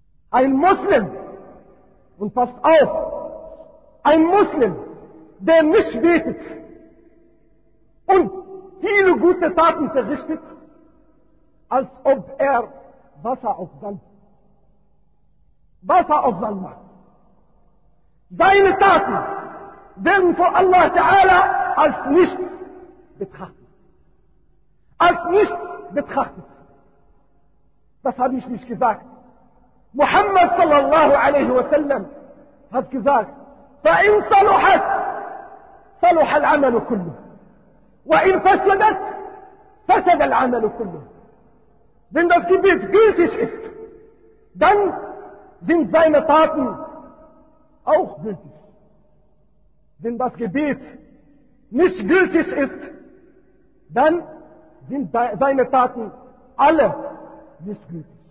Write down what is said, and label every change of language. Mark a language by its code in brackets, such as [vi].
[de] Ein Muslim, und passt auf, ein Muslim, der nicht betet und viele gute Taten verrichtet, als ob er Wasser auf Sand macht. Deine Taten werden vor Allah Ta'ala als nichts betrachtet. Als nichts betrachtet. Das habe ich nicht gesagt. [ar] Muhammad sallallahu alaihi wa sallam [de] hat gesagt, [ar] فَإِن صَلُحَتْ صَلُحَ الْعَمَلُ كُلُّهُ وَإِن فَسَدَتْ فَسَدَ الْعَمَلُ كُلُّهُ. [de] Wenn das Gebet gültig ist, dann sind seine Taten auch gültig. Wenn das Gebet nicht gültig ist, dann sind seine Taten alle nicht gültig.